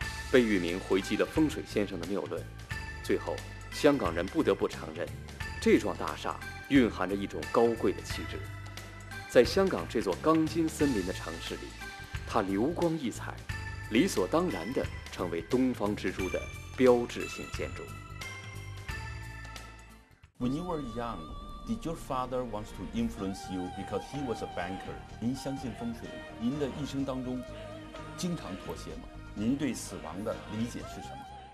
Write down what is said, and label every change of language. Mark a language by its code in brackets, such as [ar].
[zh] 贝聿铭回击了风水先生的谬论，最后香港人不得不承认，这幢大厦蕴含着一种高贵的气质。在香港这座钢筋森林的城市里，它流光溢彩，理所当然地成为东方之珠的标志性建筑。 [en] When you were young, did your father want to influence you because he was a banker? [zh] 您相信风水？您的一生当中经常妥协吗？您对死亡的理解是什么？